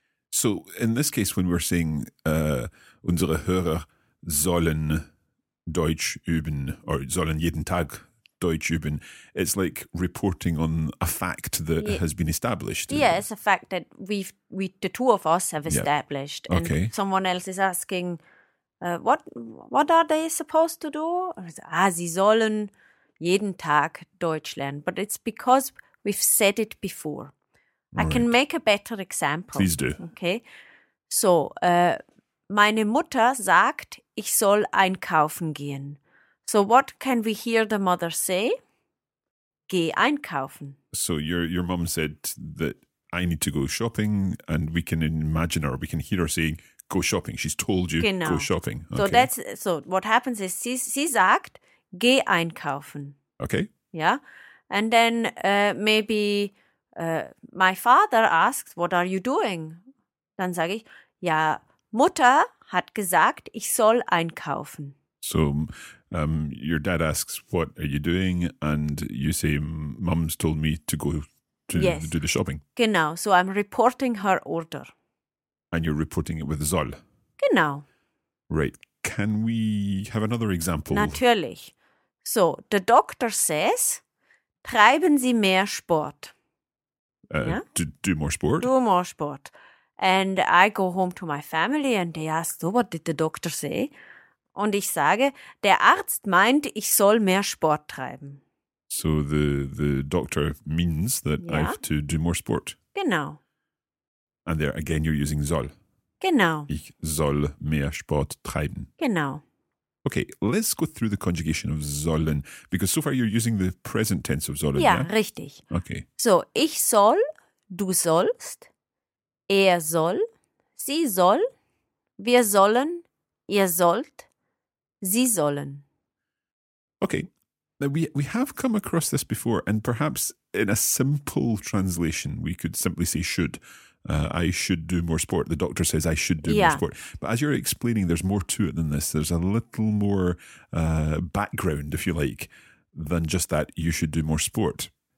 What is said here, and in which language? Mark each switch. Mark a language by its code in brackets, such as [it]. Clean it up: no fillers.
[en] So in this case, when we're saying [de] unsere Hörer sollen Deutsch üben [en] or [de] sollen jeden Tag Deutsch üben, [en] it's like reporting on a fact that has been established. Yeah, it's a fact that we the two of us have established. Yeah. Okay. And someone else is asking, what are they supposed to do? [de] Sie sollen jeden Tag Deutsch lernen. [en] But it's because we've said it before. Right. I can make a better example. Please do. Okay. [de] So, meine Mutter sagt, ich soll einkaufen gehen. [en] So what can we hear the mother say? [de] Geh einkaufen. [en] So your mom said that I need to go shopping, and we can imagine her, we can hear her saying, go shopping. She's told you, [de] genau. [en] Go shopping. Okay. So that's so what happens is [de] sie sagt, geh einkaufen. [en] Okay. Yeah. And then maybe my father asks, what are you doing? [de] Dann sage ich, ja, Mutter hat gesagt, ich soll einkaufen. [en] So your dad asks, what are you doing? And you say, Mom's told me to go to do the shopping. Genau, so I'm reporting her order. And you're reporting it with soll. [de] Genau. [en] Right, can we have another example? [de] Natürlich. [en] So the doctor says, [de] treiben Sie mehr Sport. [en] Do more sport. Do more sport. And I go home to my family and they ask, so what did the doctor say? [de] Und ich sage, der Arzt meint, ich soll mehr Sport treiben. [en] So the doctor means that I have to do more sport. [de] Genau. [en] And there again you're using soll. [de] Genau. Ich soll mehr Sport treiben. Genau. [en] Okay, let's go through the conjugation of sollen, because so far you're using the present tense of sollen. [de] Ja, richtig. [en] Okay. [de] So, ich soll, du sollst, er soll, sie soll, wir sollen, ihr sollt, sie sollen. [en] Okay, now we have come across this before, and perhaps in a simple translation we could simply say should. I should do more sport. The doctor says I should do more sport. But as you're explaining, there's more to it than this. There's a little more background, if you like, than just that you should do more sport.